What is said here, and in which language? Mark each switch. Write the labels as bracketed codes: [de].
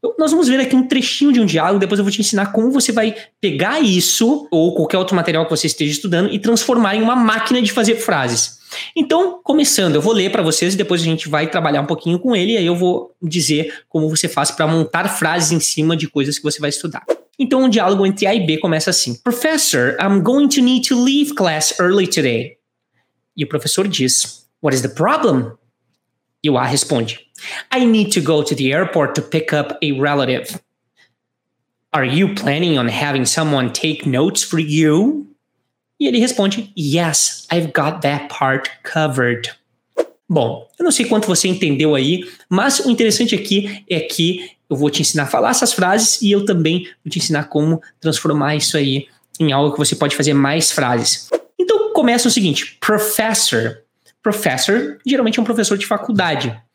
[pt] Nós vamos ver aqui um trechinho de um diálogo. Depois eu vou te ensinar como você vai pegar isso ou qualquer outro material que você esteja estudando e transformar em uma máquina de fazer frases. Então, começando, eu vou ler para vocês e depois a gente vai trabalhar um pouquinho com ele e aí eu vou dizer como você faz para montar frases em cima de coisas que você vai estudar. Então, um diálogo entre A e B começa assim. [en] Professor, I'm going to need to leave class early today. [pt] E o professor diz, [en] what is the problem? [pt] E o A responde, [en] I need to go to the airport to pick up a relative. Are you planning on having someone take notes for you? [pt] E ele responde, [en] yes, I've got that part covered. [pt] Bom, eu não sei quanto você entendeu aí, mas o interessante aqui é que eu vou te ensinar a falar essas frases e eu também vou te ensinar como transformar isso aí em algo que você pode fazer mais frases. Então, começa o seguinte, professor. Professor, geralmente é um professor de faculdade.